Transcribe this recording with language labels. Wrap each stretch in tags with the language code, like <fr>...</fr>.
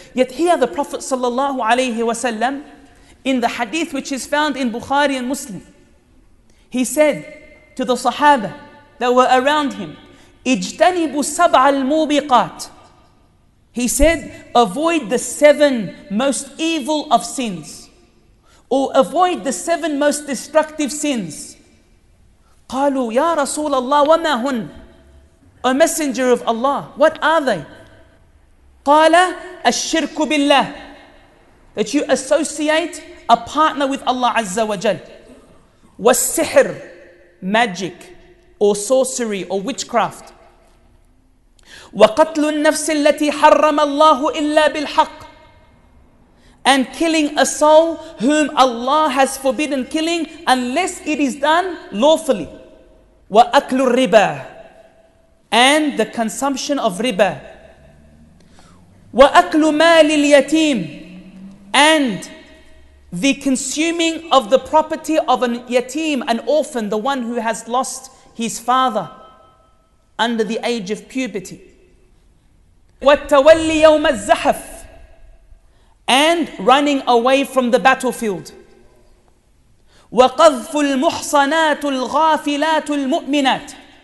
<en>Yet here the Prophet sallallahu alayhi wa sallam, in the hadith which is found in Bukhari and Muslim, he said to the Sahaba that were around him,</en> <ar>اجتنبوا سبع الموبقات.</ar> <en>He said, avoid the seven most evil of sins, or avoid the seven most destructive sins.</en> <ar>قالوا يا رسول الله وما هن.</ar> <en>A messenger of Allah, what are they?</en> <ar>قال الشرك بالله.</ar> <en>That you associate a partner with Allah عز وجل. والسحر, magic, or sorcery, or witchcraft.</en> <ar>وقتل النفس التي حرم الله إلا بالحق.</ar> <en>And killing a soul whom Allah has forbidden killing unless it is done lawfully.</en> <ar>وأكل الربا.</ar> <en>And the consumption of riba.</en> <ar>وأكل مال اليتيم.</ar> <en>And the consuming of the property of an yatim, an orphan, the one who has lost his father under the age of puberty.</en> <ar>والتولي يوم الزحف.</ar> <en>And running away from the battlefield.</en> <ar>وقذف المحصنات الغافلات المؤمنات.</ar>